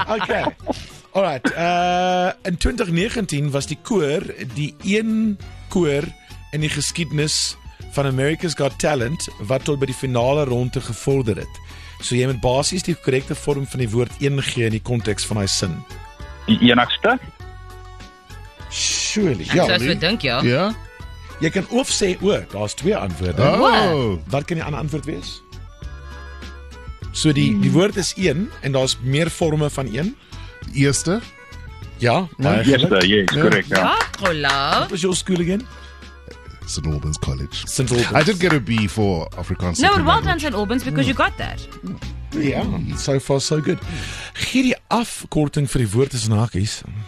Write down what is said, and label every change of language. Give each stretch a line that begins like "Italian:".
English: Okay. All right.
Afrikaans: In 2019 was die koor die een koor in die geskiedenis van America's Got Talent wat tot by die finale ronde gevorder het. So jy moet basies die korrekte vorm van die woord een gee in die konteks van hy sin. Die enigste?
English: Surely.
Afrikaans: Ja, so dink jy. Ja. Jy kan of sê, daar is twee antwoorde. Oh. Wat kan die ander antwoord wees? So die woord is een, en daar is meer vorme van een. Eerste? Ja. Eerste,
English: correct. What was your school again? St. Albans College. St. Albans. I did get a B for Afrikaans. No, well done St. Albans, because you got that. Yeah, so far so good.
Afrikaans: Gee die afkorting vir die woord is naakies.